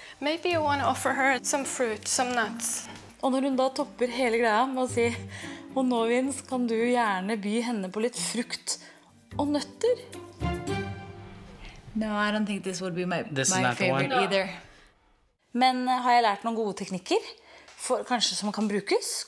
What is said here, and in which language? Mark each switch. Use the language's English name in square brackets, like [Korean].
[English] Maybe you want to offer her some fruit, some nuts. [Norwegian] Og når hun da topper hele greia med å si «Og nå, Vince, kan du gjerne by henne på litt frukt og nøtter?» [English] No, I don't think this would be my favorite either. [Norwegian] Men har jeg lært noen gode teknikker? For, kanskje som kan brukes?